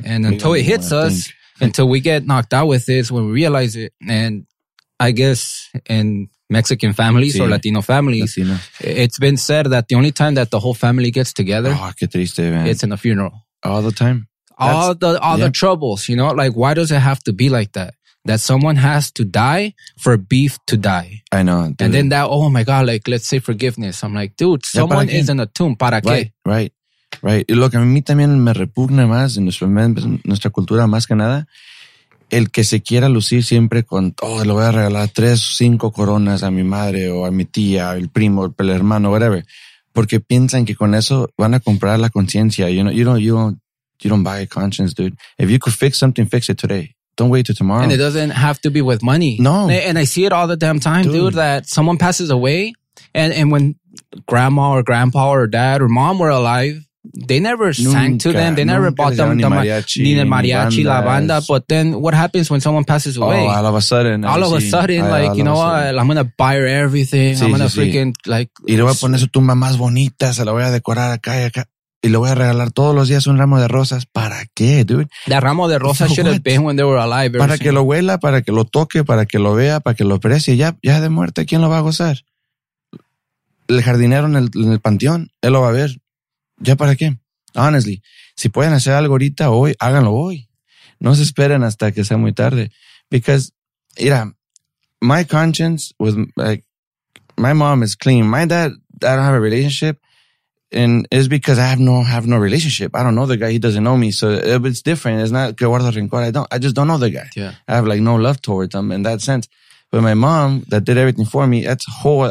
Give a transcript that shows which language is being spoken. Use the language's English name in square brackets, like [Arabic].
[English] And until it hits us, until we get knocked out with this, when we realize it, and I guess in Mexican families or Latino families, it's been said that the only time that the whole family gets together, [Spanish] qué triste, man. [English] It's in a funeral. All the time. The troubles, you know, like why does it have to be like that? That someone has to die for beef to die. I know. Dude. And then that, oh my God, like let's say forgiveness. I'm like, dude, someone is in a tomb. [Spanish] ¿Para qué? [English] Right. [Spanish] Y lo que a mí también me repugna más en nuestra cultura, más que nada, el que se quiera lucir siempre con, le voy a regalar 3 o 5 coronas a mi madre o a mi tía, el primo, el hermano, whatever. Porque piensan que con eso van a comprar la conciencia. [English] You don't buy a conscience, dude. If you could fix something, fix it today. Don't wait till tomorrow. And it doesn't have to be with money. No. And I see it all the damn time, dude, that someone passes away. And when grandma or grandpa or dad or mom were alive, they never sang to them. They never bought them the mariachi. [Spanish] Ni mariachi, la banda. [English] But then what happens when someone passes away? Oh, all of a sudden. I'm going to buy her everything. [Spanish] Sí, [English] I'm going to freaking like… [Spanish] Y le voy a poner su tumba más bonita. Se la voy a decorar acá y acá. Y le voy a regalar todos los días un ramo de rosas. ¿Para qué, dude? [English] That [Spanish] ramo de rosas [English] should have been when they were alive. [Spanish] Para que lo huela, para que lo toque, para que lo vea, para que lo aprecie. Ya de muerte, ¿quién lo va a gozar? El jardinero en el panteón, él lo va a ver. ¿Ya para qué? Honestly, si pueden hacer algo ahorita, hoy, háganlo hoy. No se esperen hasta que sea muy tarde. [English] Because, mira, my conscience with like, my mom is clean. My dad, I don't have a relationship. And it's because I have no relationship. I don't know the guy. He doesn't know me. So it's different. It's not [Spanish] que guardo rencor. [English] I just don't know the guy. Yeah. I have like no love towards him in that sense. But my mom that did everything for me, that's whole.